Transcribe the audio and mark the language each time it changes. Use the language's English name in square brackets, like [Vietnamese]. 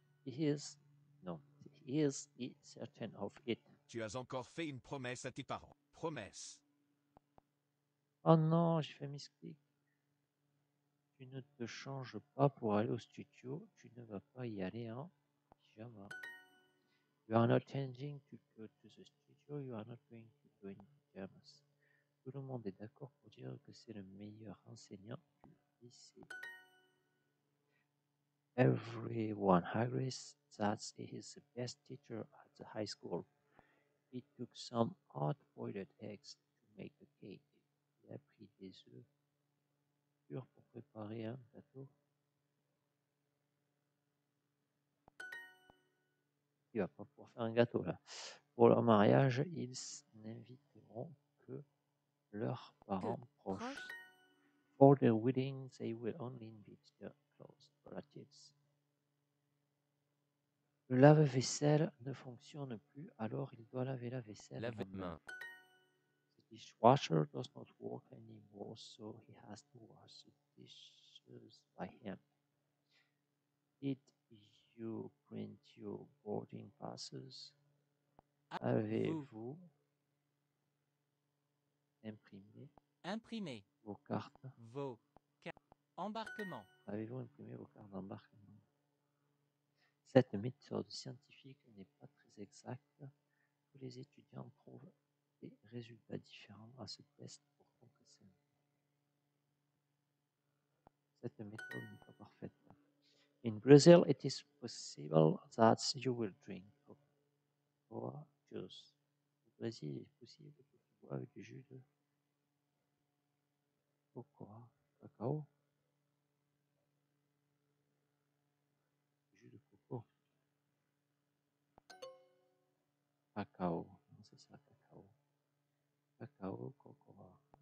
[English] He is certain of it. [French] Tu as encore fait une promesse à tes parents. Promesse. Oh non, j'ai fait misclic. Tu ne te changes pas pour aller au studio. Tu ne vas pas y aller en pyjama. [English] You are not changing to go to the studio. You are not going to go in pyjamas. [French] Tout le monde est d'accord pour dire que c'est le meilleur enseignant du lycée. [English] Everyone agrees that he is the best teacher at the high school. He took some hard-boiled eggs to make a cake. [French] Il a pris des œufs durs pour préparer un gâteau. Il va pas pouvoir faire un gâteau là. Pour leur mariage, ils n'inviteront que leurs parents proches. [English] For their wedding, they will only invite their close relatives. [French] Le lave-vaisselle ne fonctionne plus, alors il doit laver la vaisselle. Lave de main. [English] The dishwasher does not work anymore, so he has to wash the dishes by hand. Did you print your boarding passes? [French] Avez-vous imprimé vos cartes? Vos cartes d'embarquement. Avez-vous imprimé vos cartes d'embarquement? Cette méthode scientifique n'est pas très exacte. Tous les étudiants trouvent des résultats différents à ce test pour progresser. Cette méthode n'est pas parfaite. [English] In Brazil, it is possible that you will drink Coca-Cola juice. [French] Au Brésil, il est possible que tu boives du jus de cacao. Cacao, non, c'est ça, cacao. Cacao, cocoa.